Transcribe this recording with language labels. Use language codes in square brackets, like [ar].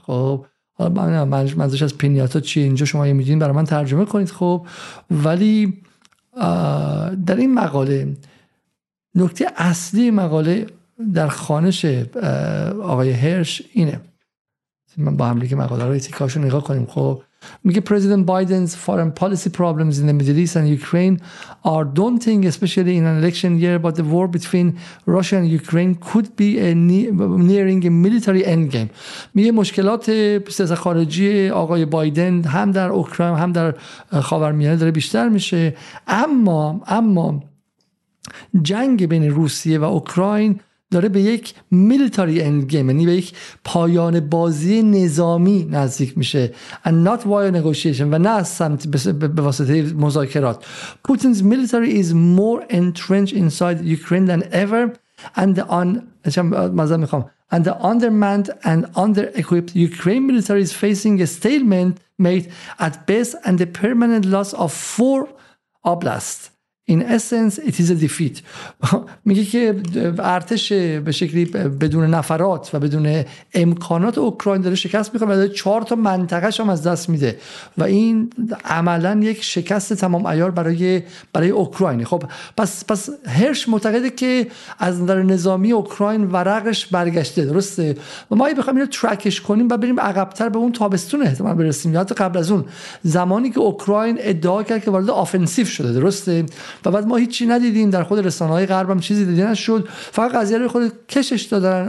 [fa] خب منظورش از پینیاتا چیه اینجا شما یه میدین برای من ترجمه کنید. خب ولی در این مقاله نکته اصلی مقاله در خانش آقای هرش اینه، من با هم لیگه مقاله رو ایتیکاشو نگاه کنیم. خب میگه [en] President Biden's foreign policy problems in the Middle East and Ukraine are daunting, especially in an election year, but the war between Russia and Ukraine could be nearing a military endgame. [fa] میگه مشکلات سیاست خارجی آقای بایدن هم در اوکراین هم در خاورمیانه داره بیشتر میشه، اما جنگ بین روسیه و اوکراین داره به یک [en] military endgame، [fa] یعنی به یک پایان بازی نظامی نزدیک میشه، [en] and not via negotiation، [fa] و نه از سمت به واسطه مذاکرات. [en] Putin's military is more entrenched inside Ukraine than ever and the undermanned and under-equipped Ukraine military is facing a stalemate at best and a permanent loss of 4 oblasts. In essence, it is a defeat. [fa] میگه که ارتش به شکلی بدون نفرات و بدون امکانات اوکراین داره شکست میخوره و داره 4 تا منطقهش هم از دست میده و این عملا یک شکست تمام عیار برای اوکراینی. خب پس هرش معتقده که از نظر نظامی اوکراین ورقش برگشته، درسته؟ و ما اگه بخوایم اینو ترکش کنیم و بریم عقبتر به اون تابستون احتمال برسیم یا حتی قبل از اون، زمانی که اوکراین ادعا کرد که وارد آفنسیو شده، درسته؟ و بعد ما هیچی ندیدیم، در خود رسانه‌های غرب هم چیزی دیده نشد، فقط قضیه رو خود کشش دادن.